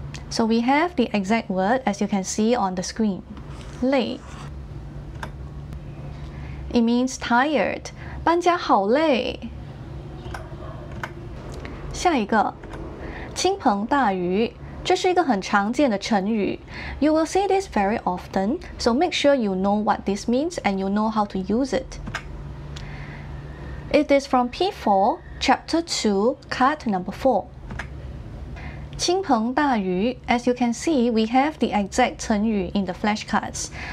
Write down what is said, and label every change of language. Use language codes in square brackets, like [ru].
[en] So we have the exact word as you can see on the screen. 累 It means tired. [zh] 搬家好累。下一个，倾盆大雨，这是一个很常见的成语。 [en] You will see this very often, so make sure you know what this means and you know how to use it. It is from P4, Chapter 2, Card Number 4. 倾盆大雨, as you can see, we have the exact 成语 in the flashcards.